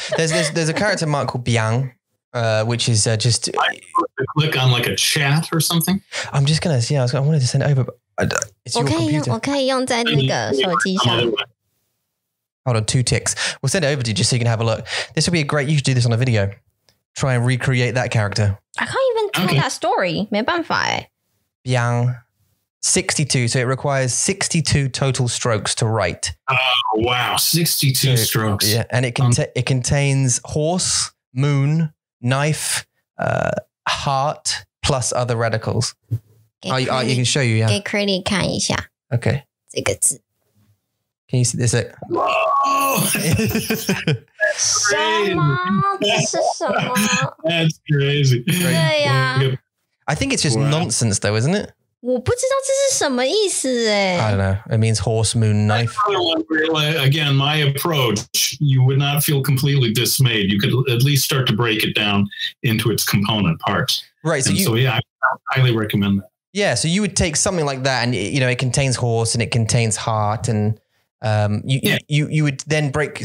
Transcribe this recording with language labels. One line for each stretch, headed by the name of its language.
English: There's a character mark called Biang, which is just... I click on like a chat or something. I'm just going to see. I wanted to send it over, but it's your computer.
Chinese: 我可以用在那个手机上。
English: Hold on, two ticks. We'll send it over to you just so you can have a look. This would be a great... You should do this on a video. Try and recreate that character. I can't even tell that story.
Chinese: 没办法诶。
English: Biang. 62, so it requires 62 total strokes to write. Oh, wow, 62 strokes. Yeah, and it contains horse, moon, knife, heart, plus other radicals. I can show you, yeah.
Chinese: 给 Crilley 看一下。
English: Okay.
Chinese: 这个字。
English: Can you see this? Whoa!
Chinese: 什么？这是什么？
English: That's crazy.
Chinese: 对呀。
English: I think it's just nonsense though, isn't it?
Chinese: 我不知道这是什么意思哎。
English: I don't know. It means horse, moon, knife. Again, my approach, you would not feel completely dismayed. You could at least start to break it down into its component parts. Right. I highly recommend that. Yeah. So you would take something like that and, you know, it contains horse and it contains heart and you would then break.